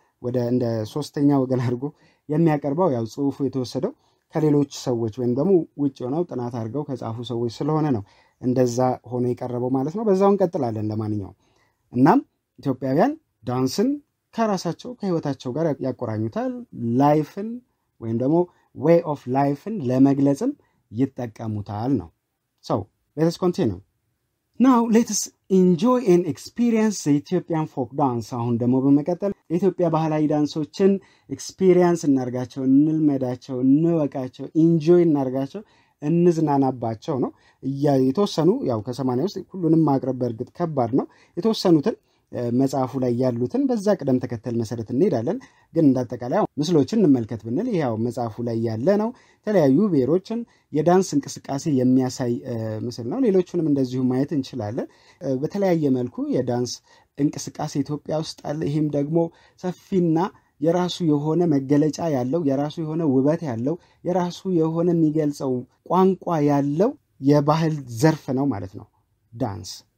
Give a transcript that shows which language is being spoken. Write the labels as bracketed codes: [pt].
[am] ወደ እንደ ሶስተኛ ወገን አድርጎ የሚያቀርበው ያው ጽሑፉ የተወሰደው ከሌሎች ሰዎች ወይንም ደግሞ ውጭ ሆነው ጥናት አድርገው ከጻፉ ሰዎች ስለሆነ ነው እንደዛ ሆኖ የቀረበው ማለት ነው። በዛውን ቀጥላለን ለማንኛውም። እናም ኢትዮጵያውያን ዳንስን ከራሳቸው ከህይወታቸው ጋር ያቆራኙታል። ላይፍን ወይንም ደግሞ [en] way of life [am] ን ለመግለጽም ይጠቀሙታል ነው። ሶ [en] let's continue. Now let's enjoy and experience Ethiopian folk dance. [am] አሁን ደግሞ በመቀጠል ኢትዮጵያ ባህላዊ ዳንሶችን experience እናርጋቸው፣ እንልመዳቸው፣ እንወቃቸው፣ enjoy እናርጋቸው፣ እንዝናናባቸው ነው። የተወሰኑ ያው ከ80 ውስጥ ሁሉንም ማቅረብ በርግጥ ከባድ ነው። የተወሰኑትን መጻፉ ላይ ያሉትን በዛ ቀደም ተከተል መሰረት እንሄዳለን። ግን እንዳጠቃላይ ምስሎችን እንመልከት ብንል ያው መጻፉ ላይ ያለ ነው። ተለያዩ ብሔሮችን የዳንስ እንቅስቃሴ የሚያሳይ ምስል ነው። ሌሎችንም እንደዚሁ ማየት እንችላለን። በተለያየ መልኩ የዳንስ እንቅስቃሴ ኢትዮጵያ ውስጥ አለ። ይሄም ደግሞ ሰፊና የራሱ የሆነ መገለጫ ያለው፣ የራሱ የሆነ ውበት ያለው፣ የራሱ የሆነ የሚገልጸው ቋንቋ ያለው የባህል ዘርፍ ነው ማለት ነው ዳንስ።